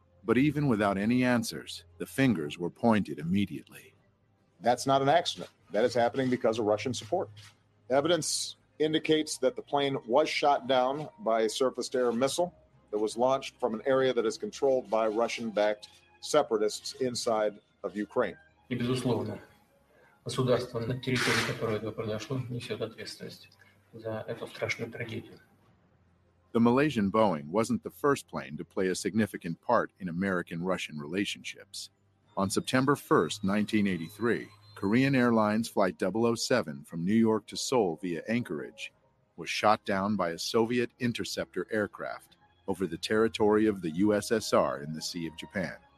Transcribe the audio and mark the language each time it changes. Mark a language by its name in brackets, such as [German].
[English] But even without any answers, the fingers were pointed immediately. That's not an accident. That is happening because of Russian support. Evidence indicates that the plane was shot down by a surface-to-air missile that was launched from an area that is controlled by Russian-backed separatists inside of Ukraine. [Russian] И безусловно, государство, на территории которого это произошло, несет ответственность за эту страшную трагедию. [English] The Malaysian Boeing wasn't the first plane to play a significant part in American-Russian relationships. On September 1, 1983, Korean Airlines Flight 007 from New York to Seoul via Anchorage was shot down by a Soviet interceptor aircraft over the territory of the USSR in the Sea of Japan.